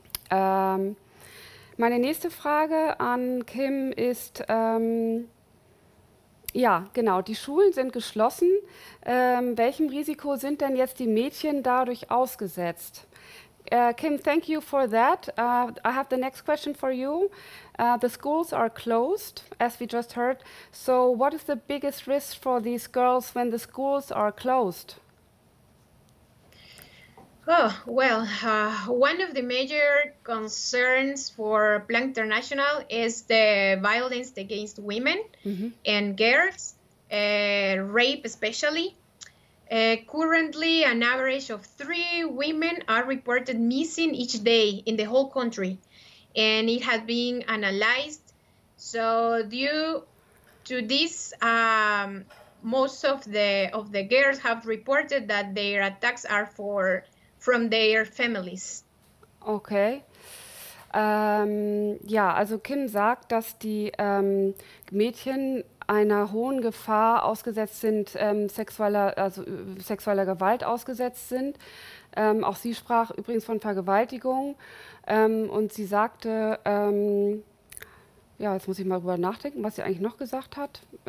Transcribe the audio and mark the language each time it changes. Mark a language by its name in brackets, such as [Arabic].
[German] Meine nächste Frage an Kim ist, ja, genau, die Schulen sind geschlossen. Welchem Risiko sind denn jetzt die Mädchen dadurch ausgesetzt? [English] Kim, thank you for that. I have the next question for you. The schools are closed, as we just heard. So what is the biggest risk for these girls when the schools are closed? Oh, well, one of the major concerns for Plan International is the violence against women mm-hmm. and girls, rape especially. Currently, an average of 3 women are reported missing each day in the whole country, and it has been analyzed. So due to this, most of the girls have reported that their attacks are from their families. Okay. [German] Ja, also Kim sagt, dass die Mädchen einer hohen Gefahr ausgesetzt sind, sexueller Gewalt ausgesetzt sind. Auch sie sprach übrigens von Vergewaltigung und sie sagte, ja, jetzt muss ich mal drüber nachdenken, was sie eigentlich noch gesagt hat.